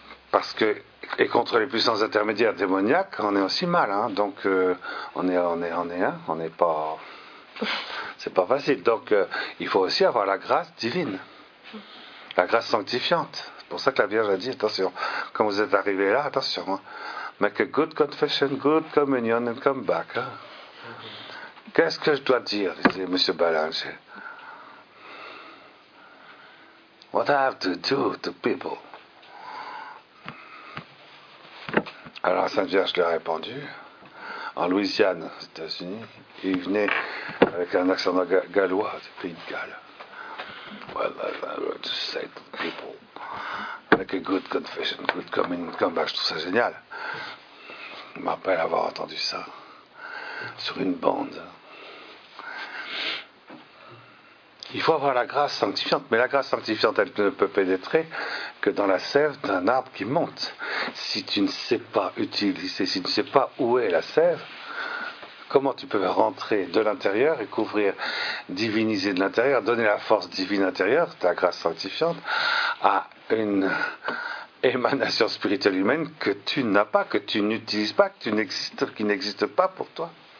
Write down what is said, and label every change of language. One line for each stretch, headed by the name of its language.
French: Parce que, et contre les puissances intermédiaires démoniaques, on est aussi mal. Hein. Donc, on n'est pas... C'est pas facile. Donc, il faut aussi avoir la grâce divine. La grâce sanctifiante. C'est pour ça que la Vierge a dit, attention, quand vous êtes arrivé là, attention, hein.
English: Make a good confession, good communion and come back. Hein.
French: Qu'est-ce que je dois dire, disait M. Ballinger.
English: What I have to do to people?
French: Alors, Sainte Vierge lui a répondu, en Louisiane, aux États-Unis, il venait avec un accent gallois, du pays de Galles.
English: Well, I have to say to people, make a good confession, good coming, come back.
French: Je trouve ça génial. Je me rappelle avoir entendu ça sur une bande. Il faut avoir la grâce sanctifiante, mais la grâce sanctifiante, elle ne peut pénétrer que dans la sève d'un arbre qui monte. Si tu ne sais pas utiliser, si tu ne sais pas où est la sève, comment tu peux rentrer de l'intérieur et couvrir, diviniser de l'intérieur, donner la force divine intérieure, ta grâce sanctifiante, à une émanation spirituelle humaine que tu n'as pas, que tu n'utilises pas, que tu n'existes, qui n'existe pas pour toi?